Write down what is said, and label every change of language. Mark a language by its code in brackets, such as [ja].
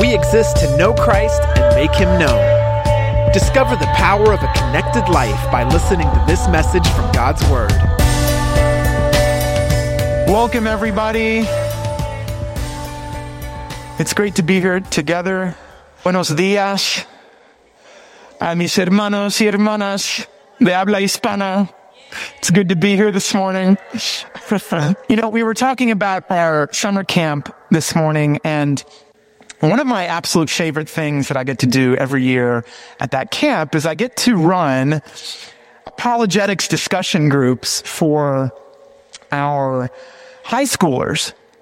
[en] We exist to know Christ and make him known. Discover the power of a connected life by listening to this message from God's Word. Welcome, everybody. It's great to be here together. [es] Buenos días a mis hermanos y hermanas de habla hispana. [en] It's good to be here this morning. You know, we were talking about our summer camp this morning, and one of my absolute favorite things that I get to do every year at that camp is I get to run apologetics discussion groups for our high schoolers.